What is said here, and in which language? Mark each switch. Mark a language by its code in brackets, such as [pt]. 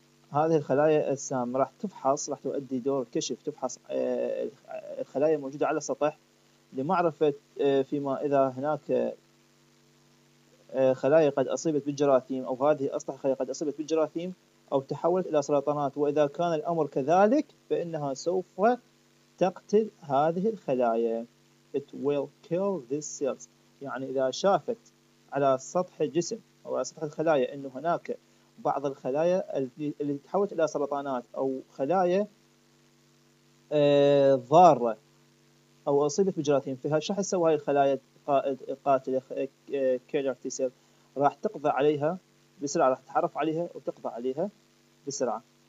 [ar] هذه الخلايا السام راح تفحص، راح تؤدي دور كشف، تفحص الخلايا الموجودة على السطح لمعرفة فيما إذا هناك خلايا قد أصيبت بالجراثيم، أو هذه أصلا خلايا قد أصيبت بالجراثيم أو تحولت إلى سرطانات. وإذا كان الأمر كذلك فإنها سوف تقتل هذه الخلايا. [en] It will kill these cells. [ar] يعني إذا شافت على سطح الجسم أو على سطح الخلايا أن هناك بعض الخلايا اللي تحولت إلى سرطانات أو خلايا ضارة أو أصيبت بجراثيم، فيها شو حتسوي هاي الخلايا القاتلة كيلر تي سيل؟ راح تقضي عليها بسرعة، راح تتعرف عليها وتقضي عليها بسرعة.